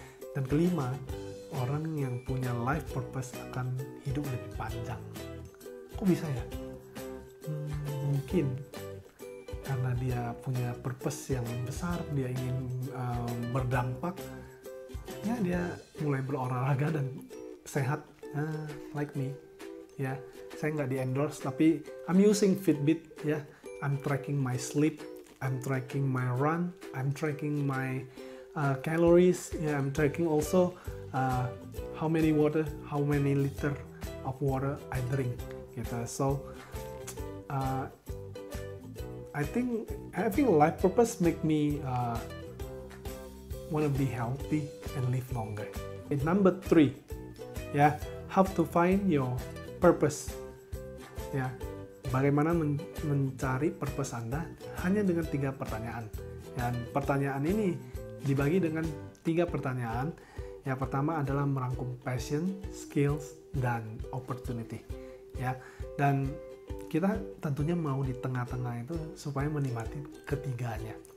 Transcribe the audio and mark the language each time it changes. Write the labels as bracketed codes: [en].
[id] Dan kelima, orang yang punya [en] life purpose [id] akan hidup lebih panjang. Kok bisa ya? Mungkin karena dia punya purpose yang besar, dia ingin berdampak ya, dia mulai berolahraga dan sehat, [en] like me [id] ya. Saya nggak di endorse, tapi [en] I'm using Fitbit ya, I'm tracking my sleep, I'm tracking my run, I'm tracking my calories ya, I'm tracking also how many water, how many liter of water I drink gitu. So I think having a life purpose make me want to be healthy and live longer. And number 3, yeah, have to find your purpose. [id] Yeah, bagaimana mencari purpose Anda? Hanya dengan 3 pertanyaan. Dan pertanyaan ini dibagi dengan 3 pertanyaan. Yang pertama adalah merangkum passion, skills, dan opportunity. Yeah, dan kita tentunya mau di tengah-tengah itu supaya menikmati ketiganya.